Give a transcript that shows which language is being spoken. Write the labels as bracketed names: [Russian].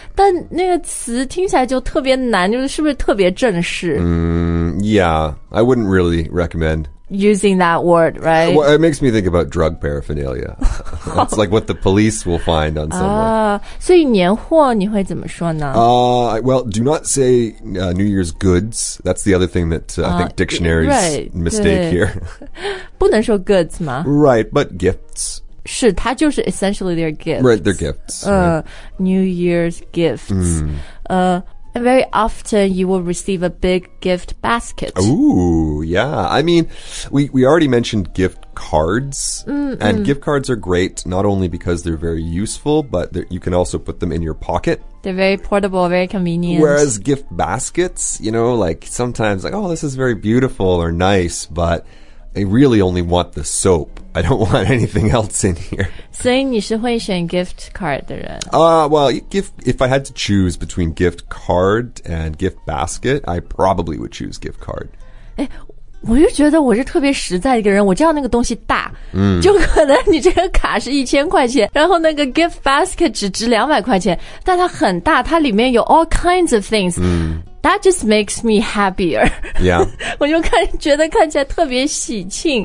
[Chinese] 但那个词听起来就特别难就是是不是特别正式、 [English] Yeah, I wouldn't really recommend. Using that word, right? Well, it makes me think about drug paraphernalia. It's like what the police will find on someone. [Chinese] So, 年货你会怎么说呢 [English] Well, do not say、New Year's goods. That's the other thing that、I think dictionaries right, mistake here. [Chinese] 不能说 goods 吗 [English] Right, but gifts. [Chinese] 是它就是 [English] essentially their gifts. Right, their gifts.、 New Year's gifts.、 Mm. And very often you will receive a big gift basket. Ooh, yeah. I mean, we already mentioned gift cards. Mm-hmm. And gift cards are great, not only because they're very useful, but you can also put them in your pocket. They're very portable, very convenient. Whereas gift baskets, you know, like sometimes like, oh, this is very beautiful or nice, but... I really only want the soap. I don't want anything else in here. [Chinese] 所以你是会选 gift card 的人 [English] Well, if I had to choose between gift card and gift basket, I probably would choose gift card. [Chinese] 我就觉得我是特别实在一个人我知道那个东西大、 mm. 就可能你这个卡是1000块钱然后那个 gift basket 只值200块钱但它很大它里面有 [English] all kinds of things、 mm. That just makes me happier. Yeah. [Chinese] 我就看觉得看起来特别喜庆。